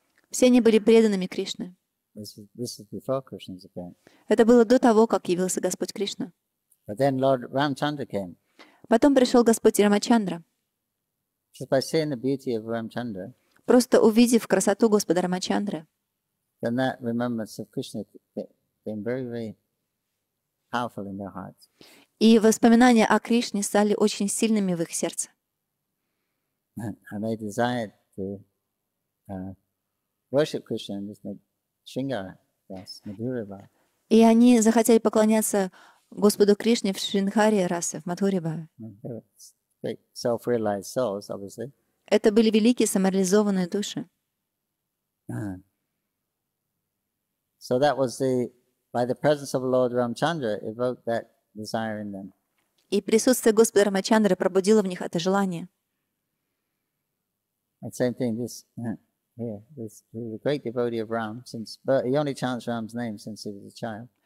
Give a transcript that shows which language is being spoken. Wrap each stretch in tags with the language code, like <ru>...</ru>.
<ru>Все они были преданными Кришне.</ru> <en>This is before Krishna's appearance.</en> <ru>Это было до того, как явился Господь Кришна.</ru> <en>But then Lord Ramchandra came.</en> <ru>Потом пришел Господь Рамачандра.</ru> <en>Just by seeing the beauty of Рамачандра,</en> <ru>просто увидев красоту Господа Рамачандры,</ru> <en>then that remembrance of Krishna became very, very powerful in their hearts.</en> <ru>И воспоминания о Кришне стали очень сильными в их сердце.</ru> <en>And they desired to worship Krishna in this Shringara Rasa, Madhura Bhava.</en> <ru>И они захотели поклоняться Господу Кришне в Шринхаре Расе, в Мадхуре Бхаве. Это были великие самореализованные души.</ru> <en>So that was by the presence of Lord Ramchandra evoked that desire in them.</en> <ru>И присутствие Господа Рамачандры пробудило в них это желание.</ru> <en>And same thing, this a great devotee of Ram, since but he only chants Ram's name since he was a child.</en>